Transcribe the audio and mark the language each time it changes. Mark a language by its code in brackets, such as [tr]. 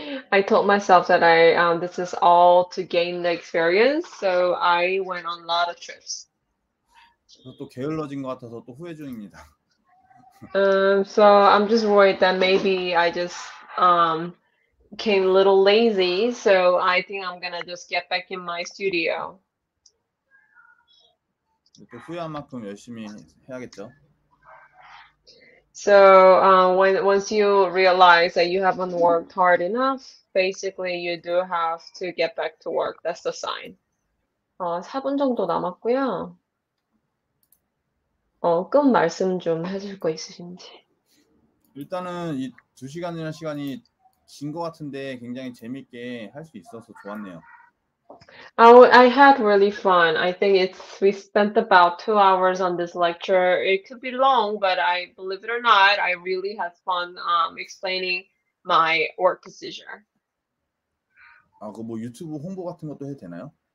[en] I told myself that this is all to gain the experience, so I went on a lot of trips. [ko] 그래서 또 게을러진 것 같아서 또 후회 중입니다. [en] So I'm just worried that maybe I just came a little lazy, so I think I'm gonna just get back in my studio. [ko] 또 후회한 만큼 열심히 해야겠죠. [en] So once you realize that you haven't worked hard enough, basically you do have to get back to work. That's the sign. [ko] 4분 정도 남았고요. 끝 말씀 좀 해줄 거 있으신지. 일단은 이두 시간이라는 시간이 긴것 같은데 굉장히 재밌게 할수 있어서 좋았네요. [en] Oh, I had really fun. I think we spent about 2 hours on this lecture. It could be long, but I believe it or not, I really had fun explaining my work procedure. [ko] 아, 그뭐 유튜브 홍보 같은 것도 해도 되나요?